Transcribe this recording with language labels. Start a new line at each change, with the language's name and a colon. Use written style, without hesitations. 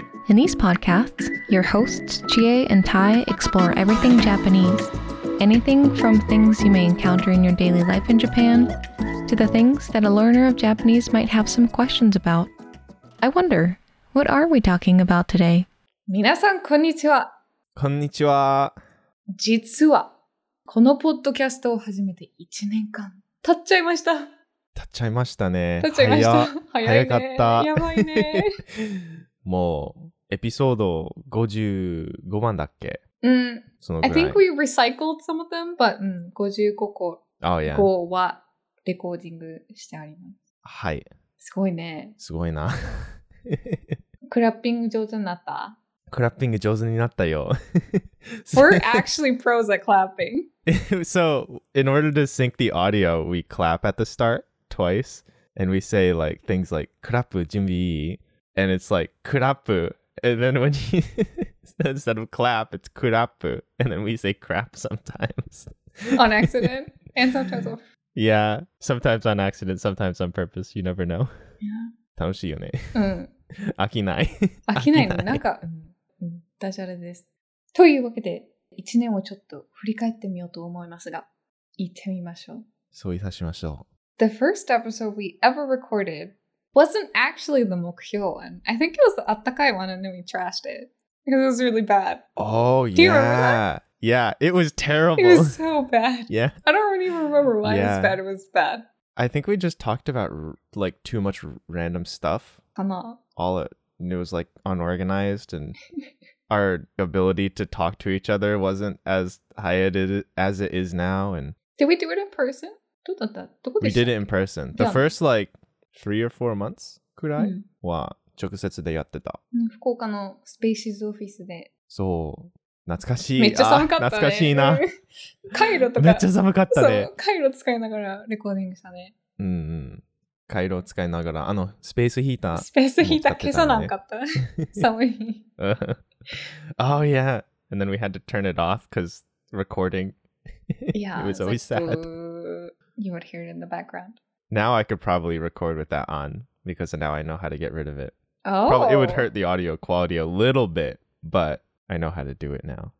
English: In these podcasts, your hosts, Chie and Tai, explore everything Japanese. Anything from things you may encounter in your daily life in Japan, to the things that a learner of Japanese might have some questions about. I wonder, what are we talking about today?
Japanese: 皆さん、こんにちは。こんにちは。実は、このポッドキャストを始めて1年間経っちゃいました。経っちゃいましたね。経っちゃいました。早かった。やばいね。もう、エピソード55万だっけ？うん。そのぐらい。
English: I think we recycled some of them, but、55個。 Oh, yeah.
Japanese: 5はレコーディングしてあります。はい。すごいね。すごいな。クラッピング上手になった？クラッピング上手になったよ。
English: We're actually pros at clapping. So, in order to sync the audio, we clap at the start twice, and we say like things like
Japanese: "Kurapu jinbi,"
English: and it's like "Kurapu," and then when you instead of clap, it's "Kurapu," and then we say "crap" sometimes on accident and sometimes. Yeah, sometimes on accident, sometimes on purpose. You never know. Yeah.
Japanese: 楽しいよね。うん。飽きない。飽きないね。なんか。ダジャレです。というわけで、1年をちょっと振り返ってみようと思いますが、行ってみましょう。そういたしましょう。
English: The first episode we ever recorded wasn't actually the 目標 one. I think it was the あったかい one and then we trashed it. Because it was really bad. Oh, yeah. Do you remember that? Yeah, it was terrible. It was so bad. Yeah. I don't even remember why it was bad. It was bad. I think we just talked about like too much random stuff. Come on. And it was like unorganized and... Our ability to talk to each other wasn't as high as it is now. And did we do it in person? We did it in person. The first like 3 or 4 months, could I?
Japanese: Was 直接でやってた。福岡のスペーシーズオフィスで。そう、懐かしい。めっちゃ寒かったね。懐かしいな。カイロとか。めっちゃ寒かったね。カイロ使いながらレコーディングしたね。うんうん。カイロ使いながらあのスペースヒーター。スペースヒーター消さなかった。寒い。
English: Oh yeah, and then we had to turn it off because recording. Yeah, it was always like, sad. You would hear it in the background. Now I could probably record with that on because now I know how to get rid of it. Oh, probably, it would hurt the audio quality a little bit, but I know how to do it now.